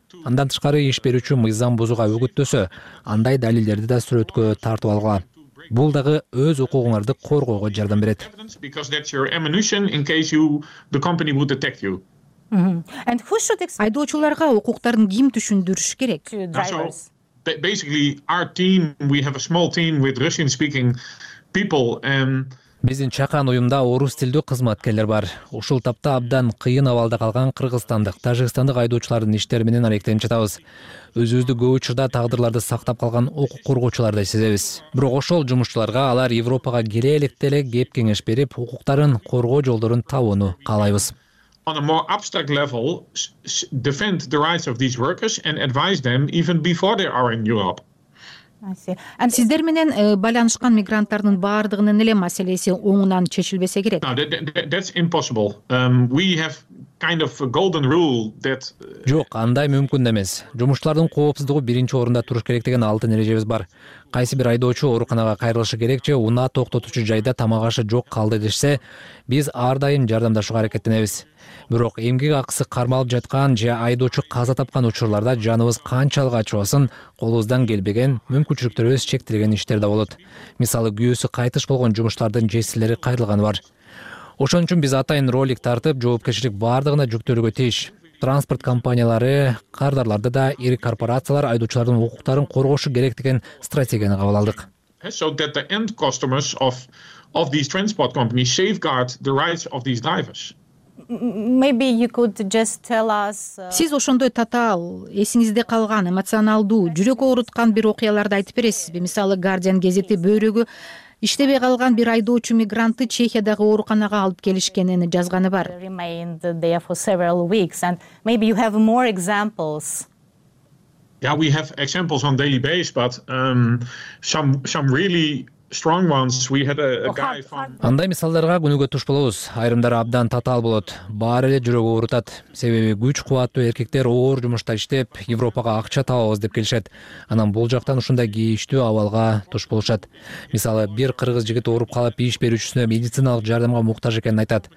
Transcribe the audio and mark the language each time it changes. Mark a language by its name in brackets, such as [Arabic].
[Kyrgyz] Андан тышкары иш берүүчү мыйзам бузууга үгүттөсө, андай далилдерди да сүрөткө тартып алгыла. Бул дагы өз укугуңарды коргоого жардам берет. Айдоочуларга укуктарын ким түшүндүрүш керек? [English] Basically our team, we have a small team with Russian speaking people and [Kyrgyz] биздин чакан уюмда орус тилдүү кызматкерлер бар. Ушул тапта абдан кыйын абалда калган кыргызстандык, тажикстандык айдоочулардын иштери менен аракеттенип жатабыз. Өзүбүздү көп учурда тагдырларды сактап калган укук коргоочуларды сезебиз. Бирок ошол жумушчуларга алар Европага келе электе эле кеп кеңеш берип, укуктарын коргоо жолдорун табууну каалайбыз. [English] On a more abstract level, defend the rights of these workers and advise them even before they are in Europe. [Kyrgyz] Сиздер менен байланышкан мигранттардын баардыгынын эле маселеси оңунан чечилбесе керек? [English] That's impossible. We have kind of a golden rule that [Kyrgyz] жок, андай мүмкүн эмес. Жумушчулардын коопсуздугу биринчи орунда туруш керек деген алтын эрежебиз бар. Кайсы бир айдоочу ооруканага кайрылышы керек же унаа токтотуучу жайда тамак ашы жок калды дешсе, биз ар дайым жардамдашууга аракеттенебиз. Бирок эмгек акысы кармалып жаткан же айдоочу каза тапкан учурларда жаныбыз канчалык ачыбасын, колубуздан келбеген мүмкүнчүлүктөрүбүз чектелген иштер да болот. Мисалы, күйөөсү кайтыш болгон жумушчулардын жесирлери кайрылганы бар. Ошон үчүн биз атайын ролик тартып, жоопкерчилик баардыгына жүктөлүүгө тийиш. транспорт компаниялары, кардарларды да ири корпорациялар айдоочулардын укуктарын коргошу керек деген стратегияны кабыл алдык. [English] So that the end customers of these transport companies safeguard the rights of these drivers. Maybe you could just tell us. [Kyrgyz] Сиз ошондой татаал, эсиңизде калган, эмоционалдуу, жүрөк ооруткан бир окуяларды айтып бересизби? Мисалы, Guardian гезети бөйрөгү иштебей калган бир айдоочу мигрантты Чехиядагы ооруканага алып келишкенин жазганы бар. [English] Remained there for several weeks and maybe you have more examples. Yeah, we have examples on daily basis, but some really strong ones. We had a guy from [Kyrgyz] Андай мисалдарга күнүгө туш болобуз. Айрымдары абдан татаал болот. Баары эле жүрөк оорутат. Себеби күч кубаттуу эркектер оор жумушта иштеп, Европага акча табабыз деп келишет. Анан бул жактан ушундай кейиштүү абалга туш болушат. Мисалы, бир кыргыз жигит ооруп калып, иш берүүчүсүнө медициналык жардамга муктаж экенин айтат.